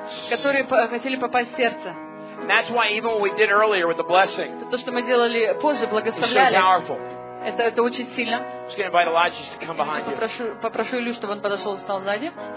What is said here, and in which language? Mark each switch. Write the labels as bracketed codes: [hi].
[ru] Которые хотели попасть в сердце. [en] That's why even what we did earlier with the blessing. [ru] То, что мы делали позже, благословляли. Это очень сильно. [en] I'm just going to invite Elijah to come behind you. [ru] Попрошу Илью, чтобы он подошел и стал сзади.